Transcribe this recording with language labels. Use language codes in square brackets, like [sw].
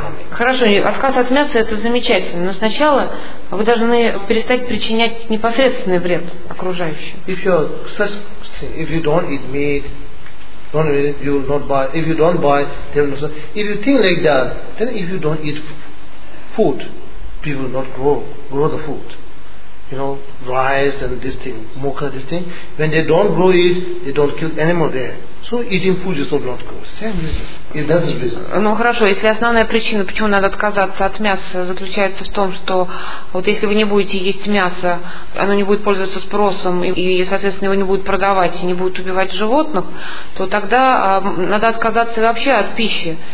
[ru] Хорошо, отказ от мяса это замечательно, но сначала вы должны перестать причинять непосредственный вред окружающим. [en] If you don't eat meat, Don't eat it, you will not buy. If you don't buy, then if you think like that, then if you don't eat food, people will not grow the food. You know, rice and this thing, mocha, this thing. When they don't grow it, they don't kill animal there. So eating food is not good. Same reason. If that is reason. [ru] Ну хорошо, если основная причина, почему надо отказаться от мяса, заключается в том, что вот если вы не будете есть мясо, оно не будет пользоваться спросом и соответственно, его не будут продавать и не будут убивать животных, то тогда надо отказаться вообще от пищи.